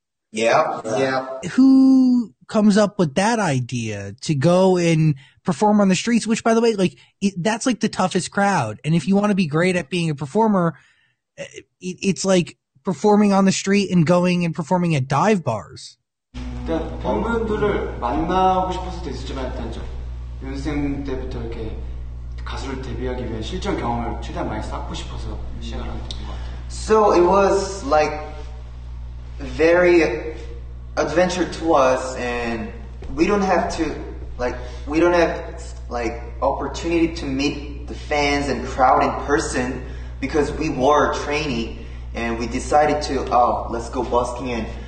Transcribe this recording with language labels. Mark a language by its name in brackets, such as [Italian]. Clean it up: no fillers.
[English] Yeah. Who comes up with that idea to go and perform on the streets? Which, by the way, like, that's like the toughest crowd. And if you want to be great at being a performer, it's like performing on the street and going and performing at dive bars. [Korean] 일단 병분들을 만나고 싶어서 됐었지만 일단 저 연습생 때부터 이렇게 가수를 데뷔하기 위해 실전 경험을 최대한 많이 쌓고 싶어서 시작을 한 것 같아요. [English] So it was like very adventure to us, and we don't have to like we don't have like opportunity to meet the fans and crowd in person because we were trainee, and we decided to let's go busking in.